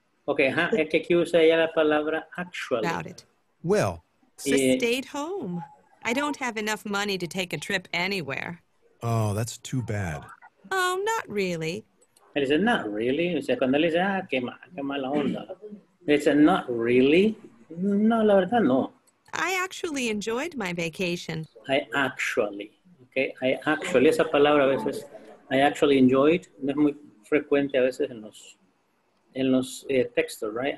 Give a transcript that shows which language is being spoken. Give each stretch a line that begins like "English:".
Spanish: Okay, es que aquí usé ya la palabra actually.
English: About it. Well, she stayed home. I don't have enough money to take a trip anywhere. Oh, that's too bad. Oh, not really.
Spanish: Él dice,
English: not really.
Spanish: O sea, cuando él dice, qué mala onda. Él dice,
English: not really.
Spanish: No, la verdad, no.
English: I actually enjoyed my vacation. I actually.
Spanish: Esa palabra a veces,
English: I actually enjoyed,
Spanish: no es muy frecuente a veces en los textos, right?